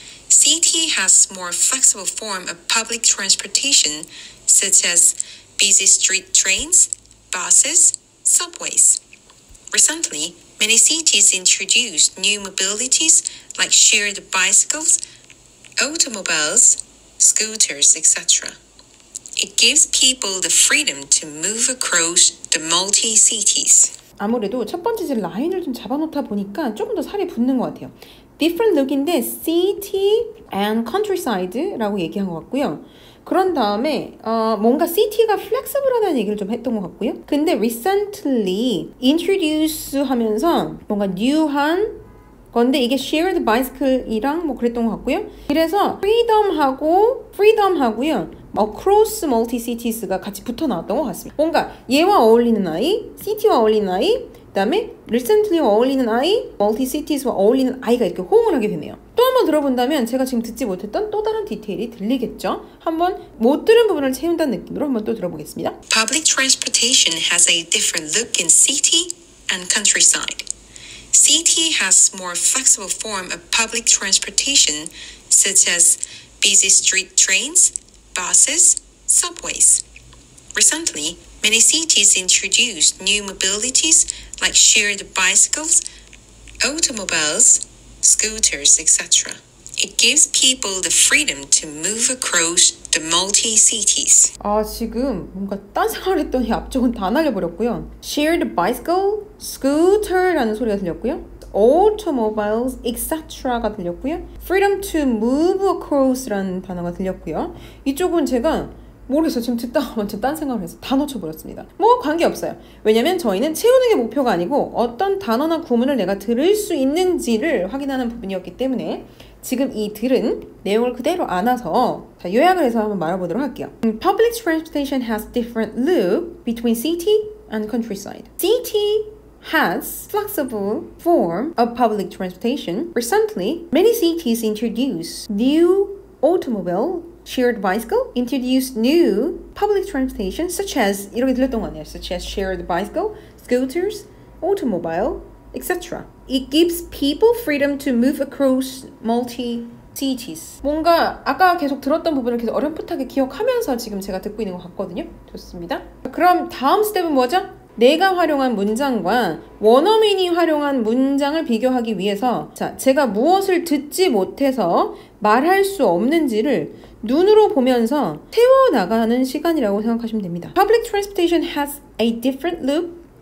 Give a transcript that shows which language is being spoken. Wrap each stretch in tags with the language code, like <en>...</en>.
<en>City has more flexible form of public transportation such as busy street trains, buses, subways. Recently, many cities introduced new mobilities like shared bicycles, automobiles, scooters, etc. It gives people the freedom to move across the multi-cities.</en> <ko>아무래도 첫 번째 라인을 좀 잡아놓다 보니까 조금 더 살이 붙는 것 같아요.</ko> <en>Different look</en> <ko>인데</ko> <en>city and countryside</en> <ko>라고 얘기한 것 같고요. 그런 다음에 뭔가 city가 flexible하다는 얘기를 좀 했던 것 같고요. 근데</ko> <en>recently introduce</en> <ko>하면서 뭔가 new한 건데 이게 shared bicycle이랑 뭐 그랬던 것 같고요. 그래서 freedom하고요.</ko> <en>Across multi-cities</en> <ko>가 같이 붙어 나왔던 것 같습니다. 뭔가 얘와 어울리는 아이, city와 어울리는 아이, 그 다음에 recently와 어울리는 아이, multi-cities와 어울리는 아이가 이렇게 호응을 하게 되네요. 또 한번 들어본다면 제가 지금 듣지 못했던 또 다른 디테일이 들리겠죠? 한번 못 들은 부분을 채운다는 느낌으로 한번 또 들어보겠습니다.</ko> <en>Public transportation has a different look in city and countryside. City has more flexible form of public transportation such as busy street trains, buses, subways. Recently, many cities introduced new mobilities like shared bicycles, automobiles, scooters, etc. It gives people the freedom to move across the multi-cities.</en> <ko>아, 지금 뭔가 딴 생각을 했더니 앞쪽은 다 날려버렸고요.</ko> <en>Shared bicycle, scooter</en> <ko>라는 소리가 들렸고요.</ko> <en>Automobiles, etc.</en> <ko>가 들렸고요.</ko> <en>Freedom to move across</en> <ko>라는 단어가 들렸고요. 이쪽은 제가 모르겠어요. 지금 듣다가 완전 딴 생각을 해서 다 놓쳐버렸습니다. 뭐 관계없어요. 왜냐면 저희는 채우는 게 목표가 아니고 어떤 단어나 구문을 내가 들을 수 있는지를 확인하는 부분이었기 때문에 지금 이 들은 내용을 그대로 안아서 자, 요약을 해서 한번 말해보도록 할게요.</ko> <en>Public transportation has different look between city and countryside. City has flexible form of public transportation. Recently, many cities introduce new automobile shared bicycle, introduce new public transportation such as</en> <ko>이렇게 들렸던 거 아니에요?</ko> <en>Such as shared bicycle, scooters, automobile, etc. It gives people freedom to move across multi cities.</en> <ko>뭔가 아까 계속 들었던 부분을 계속 어렴풋하게 기억하면서 지금 제가 듣고 있는 것 같거든요. 좋습니다. 그럼 다음 스텝은 뭐죠? 내가 활용한 문장과 원어민이 활용한 문장을 비교하기 위해서 자, 제가 무엇을 듣지 못해서 말할 수 없는지를 눈으로 보면서 채워나가는 시간이라고 생각하시면 됩니다.</ko> <en>Public transportation has a different look</en>